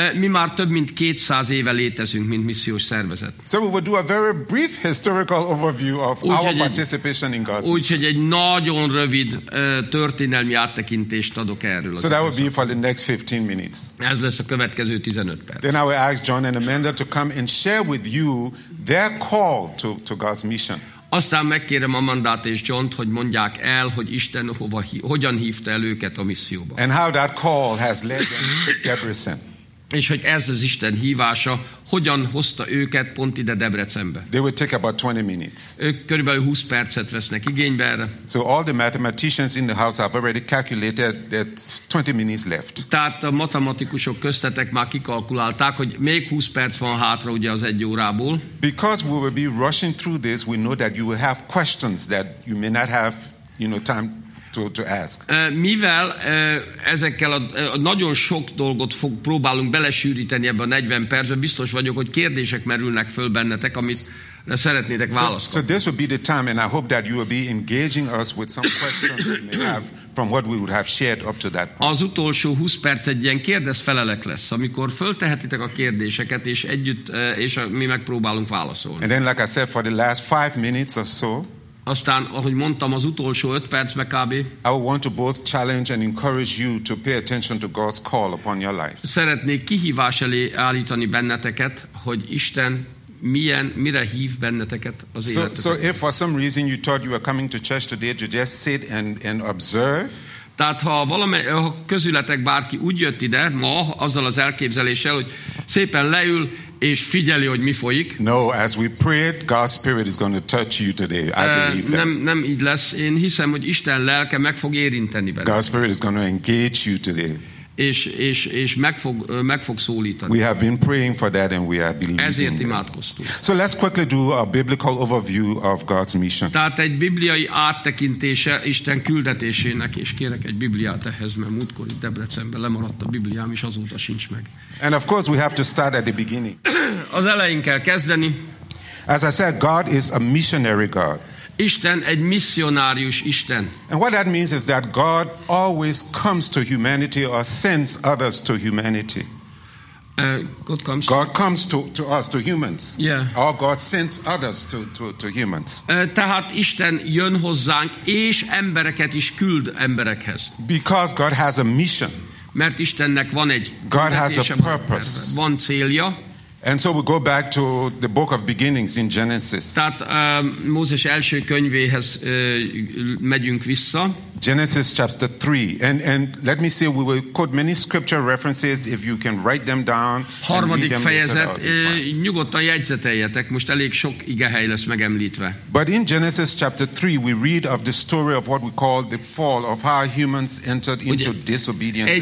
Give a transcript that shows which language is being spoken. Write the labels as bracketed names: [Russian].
[Hungarian] Mi már több mint 200 éve létezünk, mint missziós szervezet. [English] So we will do a very brief historical overview of our participation in God's mission. [Hungarian] Úgyhogy egy nagyon rövid történelmi áttekintést adok erről. [English] So that will be for the next 15 minutes. [Hungarian] Ez lesz a következő 15 perc. [English] Then I will ask John and Amanda to come and share with you their call to God's mission. [Hungarian] Aztán megkérem Amandát és Johnt, hogy mondják el, hogy Isten hogyan hívta el őket a misszióba. [English] And how that call has led them to Debrecen. [Hungarian] És hogy ez az Isten hívása hogyan hozta őket pont ide Debrecenbe. [English] They will take about 20 minutes. [Hungarian] Ők körülbelül 20 percet vesznek igénybe erre. [English] So all the mathematicians in the house have already calculated that 20 minutes left. [Hungarian] Tehát a matematikusok köztetek már kikalkulálták, hogy még 20 perc van hátra ugye az egy órából. [English] Because we will be rushing through this, we know that you will have questions that you may not have, you know, time to ask. [Hungarian] Mivel ezekkel a nagyon sok dolgot próbálunk belesűríteni ebbe a 40 percbe, biztos vagyok, hogy kérdések merülnek föl bennetek, amit szeretnétek válaszolni. [English] So this will be the time and I hope that you will be engaging us with some questions you may have from what we would have shared up to that point. [Hungarian] Az utolsó 20 perc egy ilyen kérdezfelelek lesz, amikor föltehetitek a kérdéseket és együtt és mi megpróbálunk válaszolni. [English] And then, like I said, for the last 5 minutes or so, [Hungarian] aztán, ahogy mondtam, az utolsó 5 percbe kb. [English] I want to both challenge and encourage you to pay attention to God's call upon your life. [Hungarian] Szeretnék kihívás elé állítani benneteket, hogy Isten mire hív benneteket az életetek. [English] So if for some reason you thought you were coming to church today to just sit and observe. [Hungarian] Tehát ha közületek bárki úgy jött ide ma azzal az elképzeléssel, hogy szépen leül és figyeli, hogy mi folyik. [English] No, as we prayed, God's spirit is going to touch you today. I believe that. [Hungarian] Nem így lesz. Én hiszem, hogy Isten lelke meg fog érinteni benne. [English] God's spirit is going to engage you today. [Hungarian] És meg fog szólítani. [English] We have been praying for that and we are believing. [Hungarian] Ezért imádkoztunk. [English] So let's quickly do a biblical overview of God's mission. [Hungarian] Tehát egy bibliai áttekintése Isten küldetésének, és kérek egy bibliát ehhez, mert múltkor itt Debrecenben lemaradt a bibliám, és azóta sincs meg. [English] And of course we have to start at the beginning. [Hungarian] Az elején kell kezdeni. [English] As I said, God is a missionary God. [Hungarian] Isten egy misszionárius Isten. [English] And what that means is that God always comes to humanity or sends others to humanity. God comes to us, to humans. Yeah. Or God sends others to humans. [Hungarian] Tehát Isten jön hozzánk, és embereket is küld emberekhez. [English] Because God has a mission. [Hungarian] Mert Istennek van egy [English] God has a purpose. [Hungarian] Van célja. [English] And so we go back to the book of beginnings in Genesis. [Hungarian] Tehát Mózes első könyvéhez megyünk vissza. [English] Genesis chapter 3. And let me say, we will quote many scripture references if you can write them down. [Hungarian] Harmadik [English] them [Hungarian] fejezet, nyugodtan jegyzeteljetek, most elég sok igehely lesz megemlítve. [English] But in Genesis chapter 3, we read of the story of what we call the fall, of how humans entered into disobedience